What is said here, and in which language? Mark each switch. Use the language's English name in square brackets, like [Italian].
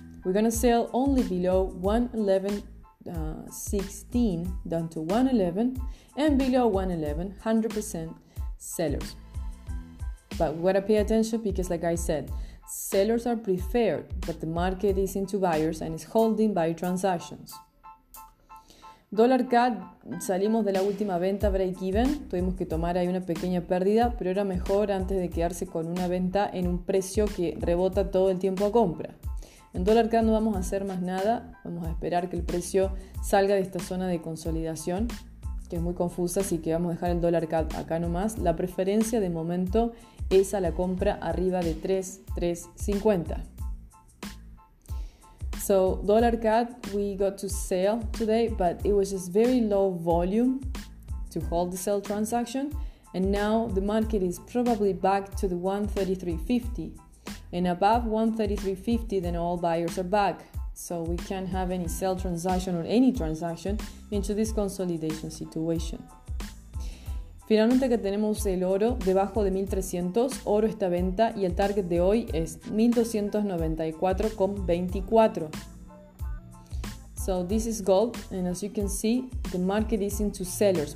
[English] We're going to sell only below 111.16 down to 111 and below 111, 100% sellers. But we gotta pay attention because, like I said, sellers are preferred, but the market is into buyers and is holding buy transactions. [Spanish] Dollar CAD, salimos de la última venta break-even, tuvimos que tomar ahí una pequeña pérdida, pero era mejor antes de quedarse con una venta en un precio que rebota todo el tiempo a compra. En Dollar CAD no vamos a hacer más nada, vamos a esperar que el precio salga de esta zona de consolidación, que es muy confusa, así que vamos a dejar el dólar CAD acá nomás. La preferencia de momento es a la compra arriba de 3.350. [English] So, dólar CAD, we got to sell today, but it was just very low volume to hold the sell transaction. And now the market is probably back to the 133.50. And above 133.50, then all buyers are back. So we can't have any sell transaction or any transaction into this consolidation situation. [Spanish] Finalmente que tenemos el oro debajo de 1300, oro está a venta y el target de hoy es 1294.24. [English] So this is gold, and as you can see, the market is into sellers.